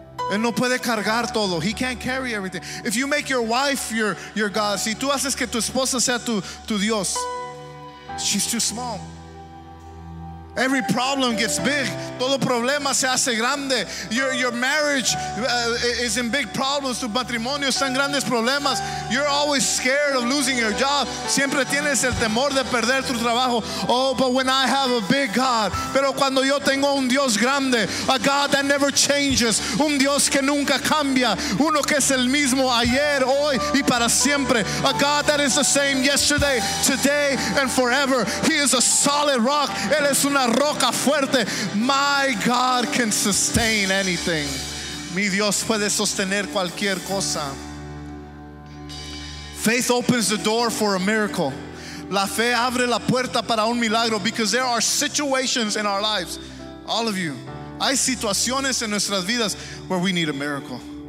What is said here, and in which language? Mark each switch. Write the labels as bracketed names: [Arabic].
[Spanish] Él no puede cargar todo. [English] He can't carry everything. If you make your wife your God, [Spanish] si tú haces que tu esposa sea tu Dios, [English] she's too small. Every problem gets big. [Spanish] Todo problema se hace grande. [English] Your marriage is in big problems. [Spanish] Tu matrimonio está en grandes problemas. [English] You're always scared of losing your job. [Spanish] Siempre tienes el temor de perder tu trabajo. [English] Oh, but when I have a big God. [Spanish] Pero cuando yo tengo un Dios grande. [English] A God that never changes. [Spanish] Un Dios que nunca cambia. Uno que es el mismo ayer, hoy y para siempre. [English] A God that is the same yesterday, today, and forever. He is a solid rock. [Spanish] Él es un una roca fuerte. [English] My God can sustain anything. [Spanish] Mi Dios puede sostener cualquier cosa. [English] Faith opens the door for a miracle. [Spanish] La fe abre la puerta para un milagro, [English] because there are situations in our lives, all of you, [Spanish] hay situaciones en nuestras vidas [English] where we need a miracle.